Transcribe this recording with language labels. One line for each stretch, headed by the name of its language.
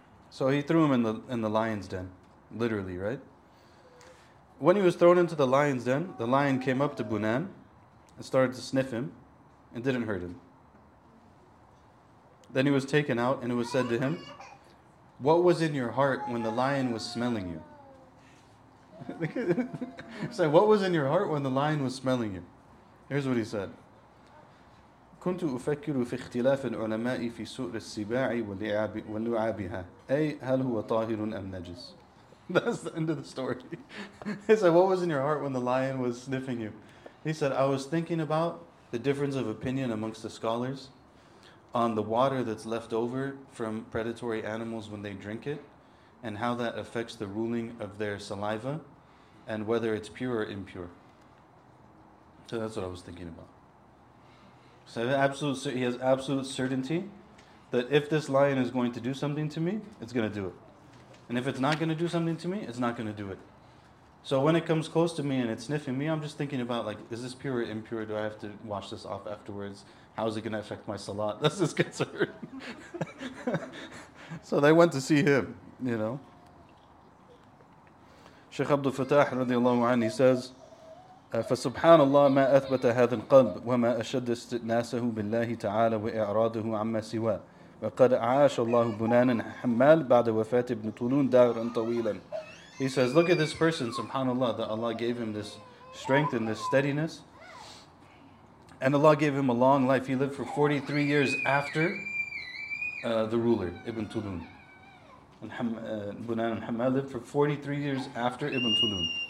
English: So he threw him in the lion's den, literally, right? When he was thrown into the lion's den, the lion came up to Bunan and started to sniff him and didn't hurt him. Then he was taken out and it was said to him, what was in your heart when the lion was smelling you? He said, what was in your heart when the lion was smelling you? Here's what he said.
Arabic: كنت أفكر في اختلاف العلماء في سؤر السباع واللعابها. أي هل هو طاهر أم نجس?
English: That's the end of the story. He said, what was in your heart when the lion was sniffing you? He said, I was thinking about the difference of opinion amongst the scholars on the water that's left over from predatory animals when they drink it, and how that affects the ruling of their saliva and whether it's pure or impure. So that's what I was thinking about. So he has absolute certainty that if this lion is going to do something to me, it's going to do it. And if it's not going to do something to me, it's not going to do it. So when it comes close to me and it's sniffing me, I'm just thinking about, like, is this pure or impure? Do I have to wash this off afterwards? How is it going to affect my salat? That's his concern. So they went to see him, you know.
Arabic: Sheikh Abdul Fatah radiallahu anhu,
English: he says,
Arabic: فسبحان الله ما أثبت هذا القلب وما أشد استئناسه بالله تعالى وإعراضه عما سواه وقد عاش الله بنانا حمال بعد وفاة ابن طولون دارا طويلا.
English: He says, look at this person, subhanAllah, that Allah gave him this strength and this steadiness, and Allah gave him a long life. He lived for 43 years after the ruler, Ibn Tulun. Bunan al-Hammal lived for 43 years after Ibn Tulun.